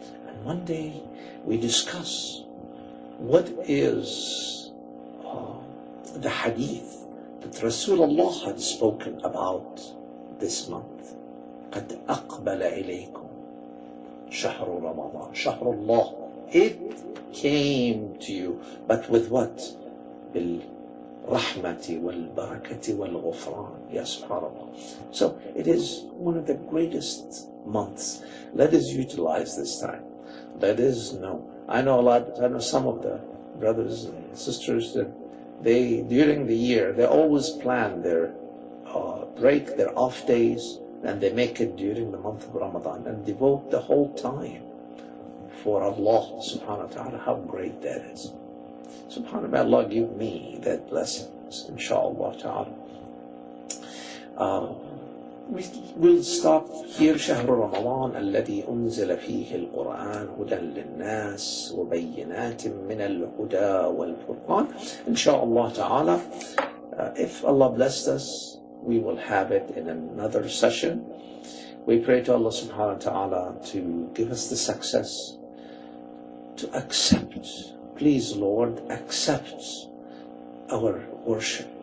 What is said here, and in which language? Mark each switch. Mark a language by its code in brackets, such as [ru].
[en] And one day we discuss what is the hadith that Rasulullah had spoken about this month. [ar] قَدْ أَقْبَلَ إِلَيْكُمْ شَهْرُ رَمَضَانَ شَهْرُ اللَّهِ. [en] It came to you, but with what? [ar] رحمتي والبركة والغفران. [en] Yes, subhanAllah. So it is one of the greatest months. Let us utilize this time. Let us know. I know some of the brothers and sisters that they, during the year, they always plan their break, their off days, and they make it during the month of Ramadan and devote the whole time for Allah subhanahu wa ta'ala. How great that is. SubhanAllah, may Allah give me that blessing, inshaAllah ta'ala. We'll stop here. [ar] شهر رمضان الذي أنزل فيه القرآن هدى للناس وبينات من الهدى والفرقان. [en] InshaAllah ta'ala, if Allah blessed us, we will have it in another session. We pray to Allah subhanahu wa ta'ala to give us the success to accept. Please, Lord, accept our worship.